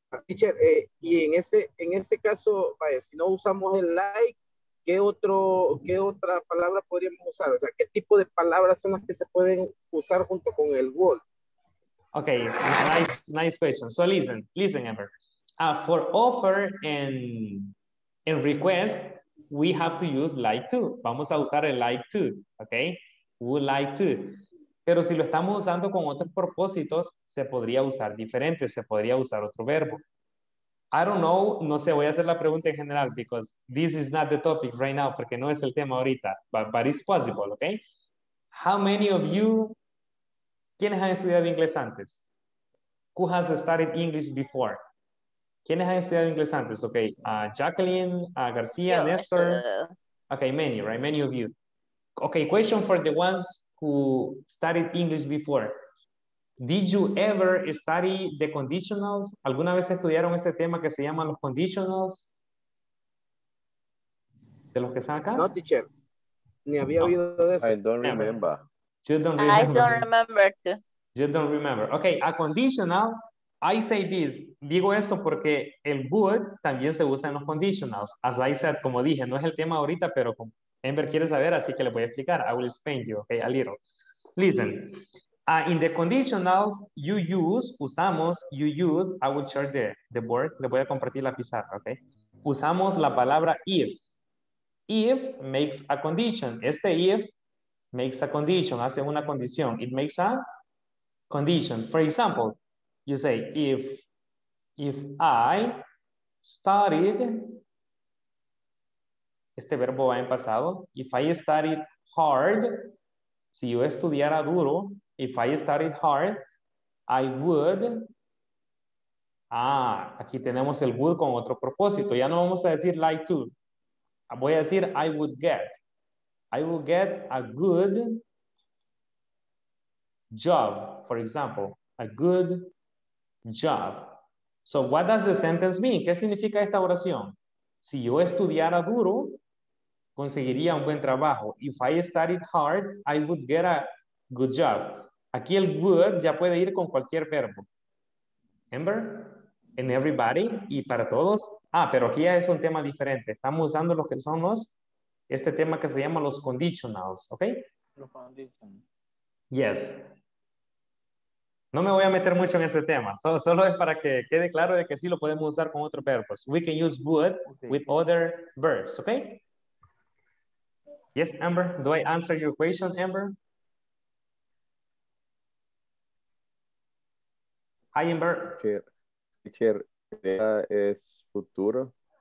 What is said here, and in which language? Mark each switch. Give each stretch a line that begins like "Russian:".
Spanish: Teacher, y en ese caso, vaya, si no usamos el like, ¿qué otra palabra podríamos usar? O sea, ¿qué tipo de palabras son las que se pueden usar junto con el word?
English: Okay, nice question. So listen, Amber. For offer and request, we have to use like to.
Spanish: Vamos a usar el like to, okay?
English: Would like to.
Spanish: Pero si lo estamos usando con otros propósitos, se podría usar diferente, se podría usar otro verbo.
English: I don't know,
Spanish: no sé, voy a hacer la pregunta en general
English: because this is not the topic right now,
Spanish: porque no es el tema ahorita,
English: but it's possible, okay? How many of you,
Spanish: ¿quiénes han estudiado inglés antes?
English: Who has studied English before?
Spanish: ¿Quiénes han estudiado inglés antes?
English: Okay, Jacqueline, García, yeah, Néstor. Okay, many, right? Many of you. Okay, question for the ones who studied English before. Did you ever study the conditionals?
Spanish: ¿Alguna vez estudiaron ese tema que se llama los conditionals? ¿De los que están acá? No, teacher. Ni había oído de eso.
English: I don't remember. You don't remember. I don't remember too. You don't remember. Okay, a conditional, I say this.
Spanish: Digo esto porque el would también se usa en los conditionals.
English: As I said,
Spanish: como dije, no es el tema ahorita, pero como Amber quiere saber, así que le voy a explicar.
English: I will explain you, okay, a little. Listen. In the conditionals,
Spanish: usamos,
English: I will share the word.
Spanish: Le voy a compartir la pizarra, okay? Usamos la palabra if.
English: If makes a condition. Este if makes a condition.
Spanish: Hace una condición.
English: It makes a condition. For example, you say, if I studied,
Spanish: este verbo va en pasado,
English: if I studied hard,
Spanish: si yo estudiara duro,
English: if I studied hard, I would,
Spanish: aquí tenemos el would con otro propósito, ya no vamos a decir like to, voy a decir
English: I would get a good job,
Spanish: for example, a good job.
English: So what does the sentence mean?
Spanish: ¿Qué significa esta oración? Si yo estudiara duro, conseguiría un buen trabajo.
English: If I studied hard, I would get a good job.
Spanish: Aquí el would ya puede ir con cualquier verbo. Remember?
English: And everybody,
Spanish: y para todos. Pero aquí ya es un tema diferente. Estamos usando lo que son este tema que se llama los conditionals, ¿ok? Los conditionals.
English: Yes.
Spanish: No me voy a meter mucho en ese tema. Solo es para que quede claro de que sí lo podemos usar con otro verbo.
English: We can use would with other verbs, ¿ok? Yes, Amber. Do I answer your question, Amber? Hi, Amber.
Spanish: Teacher, ¿estudiar es futuro?